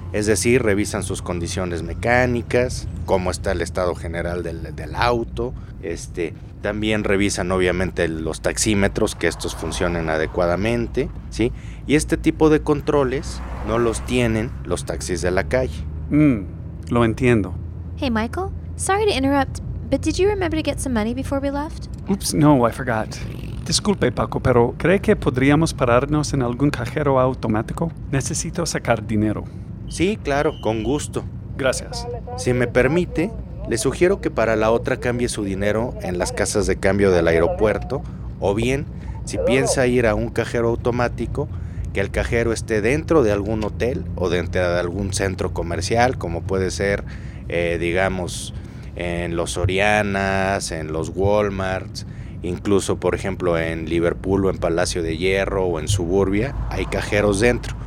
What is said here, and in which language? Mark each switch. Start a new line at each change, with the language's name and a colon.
Spanish: Es decir, revisan sus condiciones mecánicas, cómo está el estado general del auto. También revisan obviamente los taxímetros, que estos funcionen adecuadamente, ¿sí? Y este tipo de controles no los tienen los taxis de la calle. Lo entiendo.
English: Hey Michael, sorry to interrupt, but did you remember to get some money before we left? Oops, no, I forgot.
Spanish: Disculpe, Paco, pero ¿cree que podríamos pararnos en algún cajero automático? Necesito sacar dinero. Sí, claro, con gusto. Gracias. Si me permite, le sugiero que para la otra cambie su dinero en las casas de cambio del aeropuerto, o bien, si piensa ir a un cajero automático, que el cajero esté dentro de algún hotel o dentro de algún centro comercial, como puede ser, digamos, en los Sorianas, en los Walmarts, incluso, por ejemplo, en Liverpool o en Palacio de Hierro o en Suburbia, hay cajeros dentro.